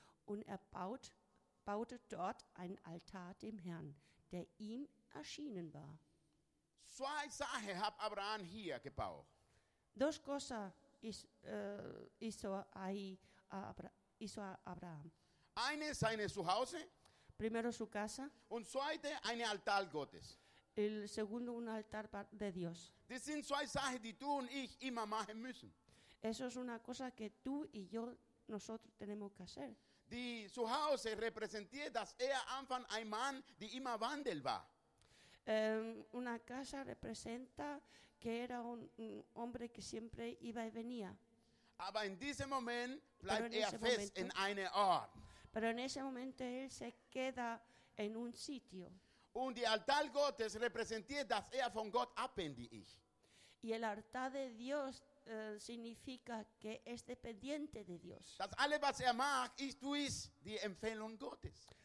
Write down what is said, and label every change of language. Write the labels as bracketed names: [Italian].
[German] Und er baute dort ein Altar dem Herrn, der ihm erschienen war. Zwei Sachen hat Abraham hier gebaut. [Spanish] Dos cosas hizo Abraham. [German] Eine seine Zuhause. [Spanish] Primero su casa. [German] Und zweite ein Altar Gottes. [Spanish] El segundo un altar de Dios. [German] Das sind zwei Sachen, die du und ich immer machen müssen. [Spanish] Eso es una cosa que tú y yo, nosotros tenemos que hacer. [German] Die Zuhause repräsentiert, dass er Anfang ein Mann, der immer wandel war. [Spanish] Una casa representa que era un hombre que siempre iba y venía. [German] Aber in diesem Moment bleibt er fest in einem Ort. [Spanish] Pero en ese momento él se queda en un sitio. [German] Und die Altar Gottes repräsentiert, dass er von Gott abhängig ist. [Spanish] Y el altar de Dios significa que es dependiente de Dios. [German] Dass alles, was er macht, ist durch die Empfehlung Gottes.